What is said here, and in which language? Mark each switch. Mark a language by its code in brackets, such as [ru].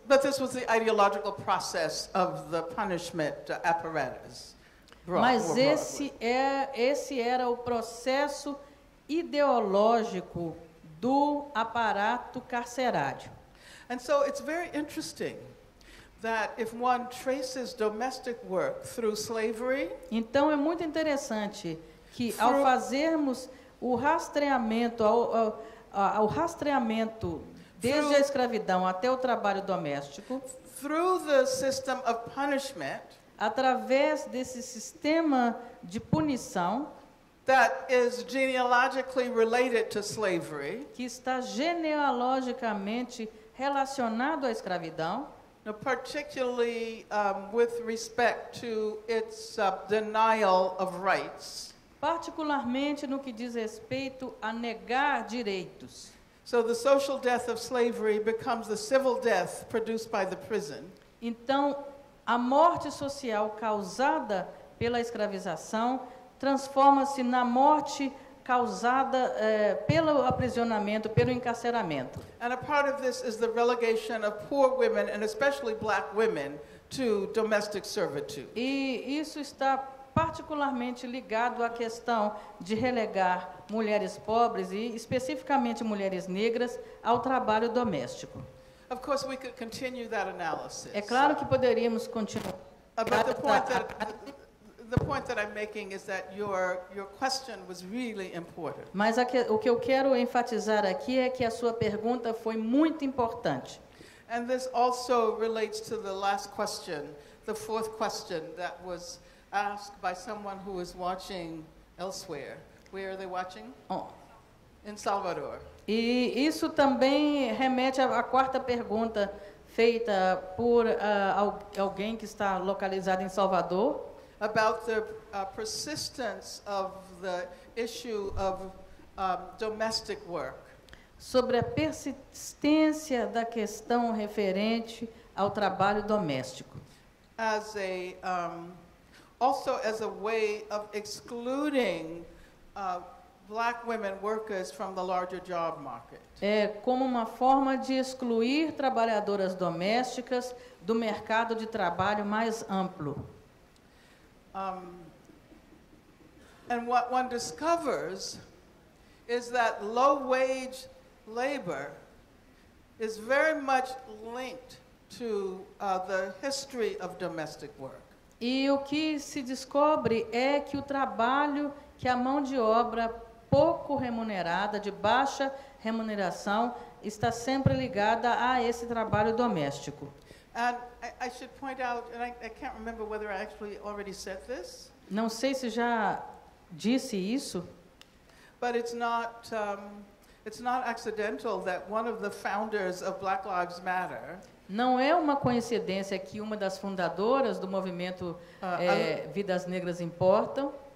[en] But this was the ideological process of the punishment apparatus. [pt] Mas esse era o processo ideológico do aparato carcerário. [en] And so it's very interesting that if one traces domestic work through slavery, [pt] então é muito interessante que ao fazermos o rastreamento ao rastreamento desde a escravidão até o trabalho doméstico, [en] through the system of punishment, [pt] através desse sistema de punição [en] that is genealogically related to slavery, [pt] que está genealogicamente relacionado à escravidão, [en] particularly with respect to its denial of rights, [pt] particularmente no que diz respeito a negar direitos. [en] So the social death of slavery becomes the civil death produced by the prison. [pt] Então a morte social causada pela escravização transforma-se na morte causada pelo aprisionamento, pelo encarceramento. [en] And a part of this is the relegation of poor women, and especially black women, to domestic servitude. [pt] E isso está particularmente ligado à questão de relegar mulheres pobres, e especificamente mulheres negras, ao trabalho doméstico. [en] Of course we could continue that analysis. [pt] É claro que poderíamos continuar. [en] But the point that I'm making is that your question was really important. [pt] Mas o que eu quero enfatizar aqui é que a sua pergunta foi muito importante. [en] And this also relates to the last question, the fourth question that was asked by someone who is watching elsewhere. Where are they watching? Oh. In Salvador. [pt] E isso também remete à quarta pergunta feita por alguém que está localizado em Salvador. [en] About the persistence of the issue of domestic work. [pt] Sobre a persistência da questão referente ao trabalho doméstico. [en] As a also as a way of excluding black women workers from the larger job market. [pt] É como uma forma de excluir trabalhadoras domésticas do mercado de trabalho mais amplo. [en] And what one discovers is that low wage labor is very much linked to the history of domestic work. [pt] E o que se descobre é que o trabalho, que a mão de obra pouco remunerada, de baixa remuneração, está sempre ligada a esse trabalho doméstico. [en] And I should point out, and I can't remember whether I actually already said this. [pt] Não sei se já disse isso. [en] But it's not accidental that one of the founders of Black Lives Matter. [pt] Não é uma coincidência que uma das fundadoras do movimento Vidas Negras Importam,